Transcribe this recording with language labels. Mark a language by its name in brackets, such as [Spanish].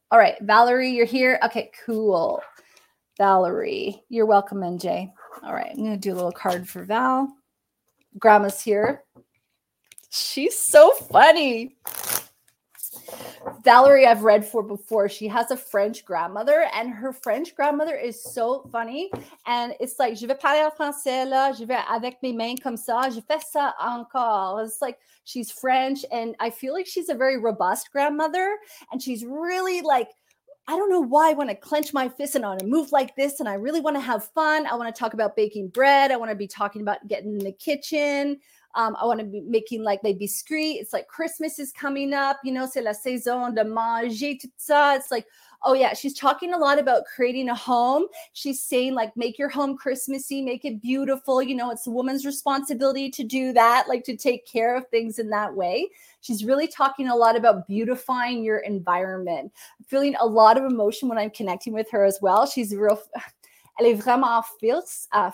[English] All right, Valerie, you're here. Okay, cool. Valerie, you're welcome, NJ. All right, I'm going to do a little card for Val. Grandma's here. She's so funny. Valerie, I've read for before. She has a French grandmother, and her French grandmother is so funny. [French] And it's like, je vais parler en français là, je vais avec mes mains comme ça, je fais ça encore. [English] It's like she's French, and I feel like she's a very robust grandmother, and she's really like, I don't know why I want to clench my fist and I want to move like this and I really want to have fun. I want to talk about baking bread. I want to be talking about getting in the kitchen. I want to be making like [French] les biscuits. [English] It's like Christmas is coming up, you know, [French] c'est la saison de manger tout ça. [English] It's like, oh yeah, she's talking a lot about creating a home. She's saying like, make your home Christmassy, make it beautiful. You know, it's a woman's responsibility to do that, like to take care of things in that way. She's really talking a lot about beautifying your environment. I'm feeling a lot of emotion when I'm connecting with her as well. She's real, [French] elle est vraiment [English] fierce.